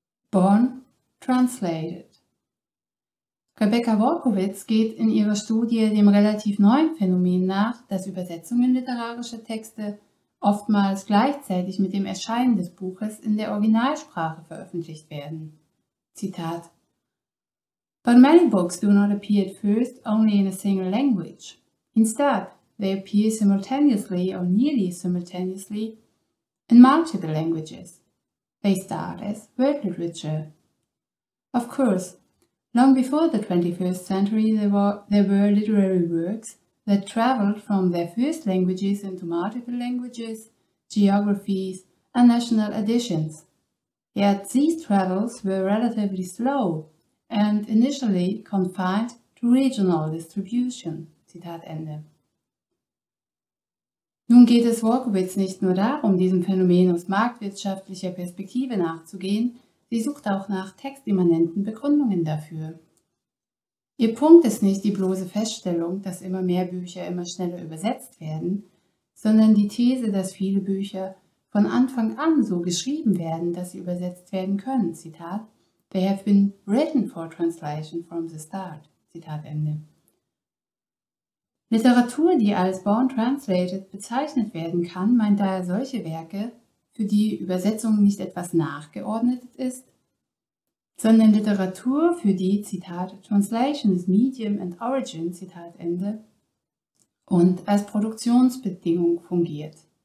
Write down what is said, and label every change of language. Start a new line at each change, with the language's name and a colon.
German: Born Translated. Rebecca Wolkowitz geht in ihrer Studie dem relativ neuen Phänomen nach, dass Übersetzungen literarischer Texte oftmals gleichzeitig mit dem Erscheinen des Buches in der Originalsprache veröffentlicht werden.
English: Zitat: But many books do not appear at first only in a single language. Instead, they appear simultaneously or nearly simultaneously in multiple languages. They start as world literature. Of course, long before the 21st century, there were literary works that traveled from their first languages into multiple languages, geographies, and national editions. Yet these travels were relatively slow and initially confined to regional distribution.
German: Zitat Ende. Nun geht es Wolkowitz nicht nur darum, diesem Phänomen aus marktwirtschaftlicher Perspektive nachzugehen, sie sucht auch nach textimmanenten Begründungen dafür. Ihr Punkt ist nicht die bloße Feststellung, dass immer mehr Bücher immer schneller übersetzt werden, sondern die These, dass viele Bücher von Anfang an so geschrieben werden, dass sie übersetzt werden können.
English: Zitat: They have been written for translation from the start.
German: Zitat Ende. Literatur, die als born translated bezeichnet werden kann, meint daher solche Werke, für die Übersetzung nicht etwas nachgeordnet ist, sondern Literatur, für die, Zitat,
English: Translation is Medium and Origin,
German: Zitat Ende, und als Produktionsbedingung fungiert.